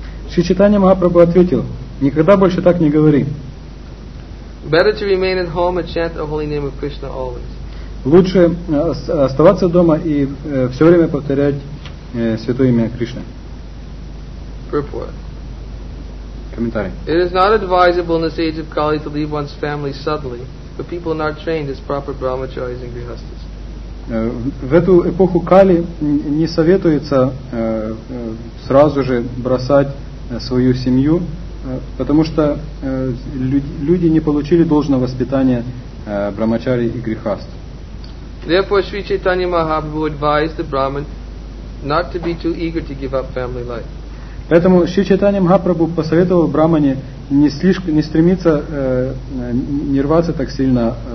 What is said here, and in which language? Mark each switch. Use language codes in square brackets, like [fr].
[ru] Шри Чайтанья Махапрабху ответил: никогда больше так не говори. [en] Better to remain at home and chant the holy name of Krishna always. [ru] Лучше оставаться дома и все время повторять святое имя Кришны. [en] Purport. [ru] Комментарий. [en] It is not advisable in this age of Kali to leave one's family suddenly, but people are not trained as proper brahmacharis and grihasthas. [ru] В эту эпоху Кали не советуется сразу же бросать свою семью, потому что люди не получили должного воспитания брахмачари и грихаст. [en] Therefore, Sri Chaitanya Mahaprabhu advised the Brahmin not to be too eager to give up family life. [ru] Поэтому Шри Чайтанья Махапрабху посоветовал брахмане не стремиться не рваться так сильно.